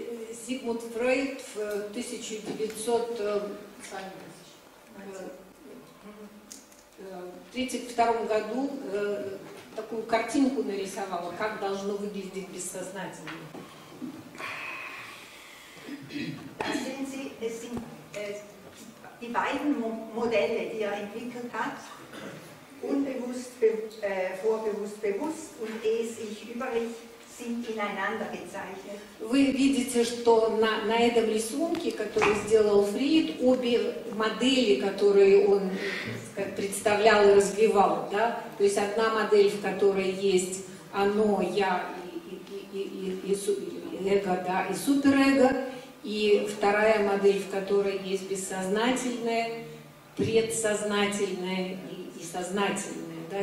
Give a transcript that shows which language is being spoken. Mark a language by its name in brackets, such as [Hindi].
[Russian] Sigmund Freud в 1932 году такую картинку нарисовала, как должно выглядеть бессознательное. [German] Sehen Sie, es sind die beiden Modelle, die er entwickelt hat. Unbewusst, vorbewusst, bewusst und es, ich, über ich sind ineinander gezeichnet. [Russian] Вы видите, что на этом рисунке, который сделал Фрейд, обе модели, которые он представлял и развивал, да, то есть одна модель, в которой есть оно, я и эго, да, и суперэго, и вторая модель, в которой есть бессознательное, предсознательное и сознательное. Да?